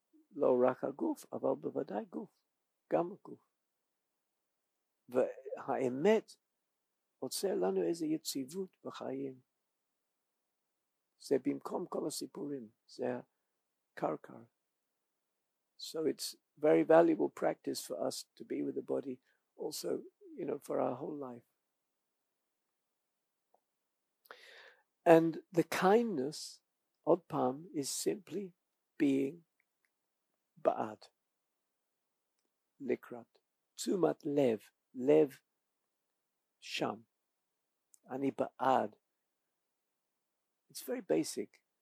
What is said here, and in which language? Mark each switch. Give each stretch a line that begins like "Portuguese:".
Hebrew: לא רק הגוף, אבל בוודאי גוף, גם הגוף. והאמת עושה לנו איזו יציבות בחיים. זה במקום כל הסיפורים, זה קרקר.
English: So it's very valuable practice for us to be with the body, also, you know, for our whole life. And the kindness,
Hebrew: עוד פעם,
English: is simply being
Hebrew: בעד, לקראת, תשומת לב, לב שם. אני בעד.
English: It's very basic.